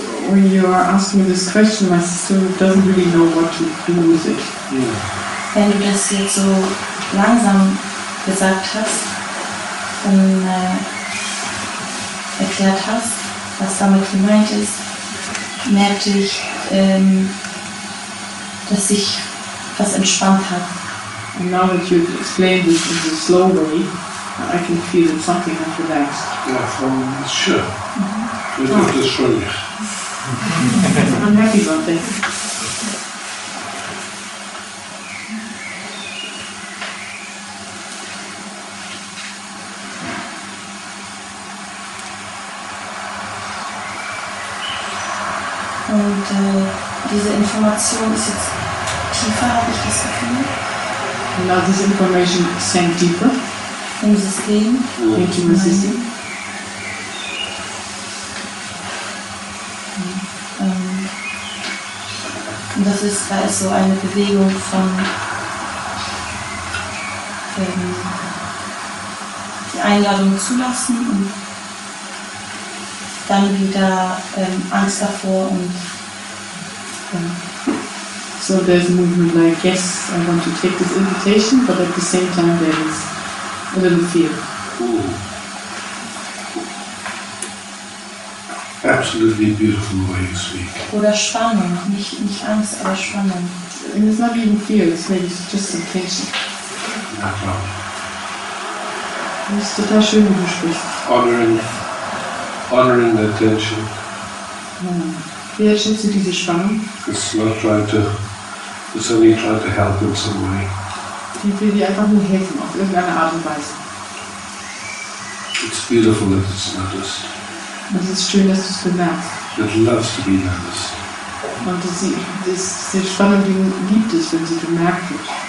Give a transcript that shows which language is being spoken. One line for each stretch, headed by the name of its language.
English: When you are asking this question, my system doesn't really know what to do with it. Yeah.
German: Wenn du das jetzt so langsam gesagt hast, dann erklärt hast, was damit gemeint ist, merkte ich, dass ich was entspannt habe.
English: And now that you've explained it in a slow way, I can feel that something has relaxed. Yeah, from sure. Mm-hmm. It's not just from you. I'm happy about this.
German: Und diese Information ist jetzt tiefer, habe ich das Gefühl.
English: Now this information sank deeper.
German: Im System.
English: Mm-hmm. Into my system.
German: Und das ist, da ist so eine Bewegung von die Einladung zulassen und dann wieder Angst davor und
English: so there's a movement like, yes, I want to take this invitation, but at the same time there is a little fear. Ooh. Absolutely beautiful the way you speak.
German: Oder Spannung, nicht Angst, aber Spannung.
English: And it's not even fear, it's maybe just some tension. No problem.
German: Das ist total schön, wie du sprichst.
English: Honoring honoring the tension.
German: Wie erschätzt du diese Spannung?
English: It's only trying to help in some way.
German: Die will dir einfach nur helfen, auf irgendeine Art und Weise.
English: It's beautiful that it's noticed.
German: Und es ist schön, dass du es bemerkst.
English: It loves to be noticed.
German: Und dass sie, dass die Spannung, die liebt es, wenn sie bemerkt wird.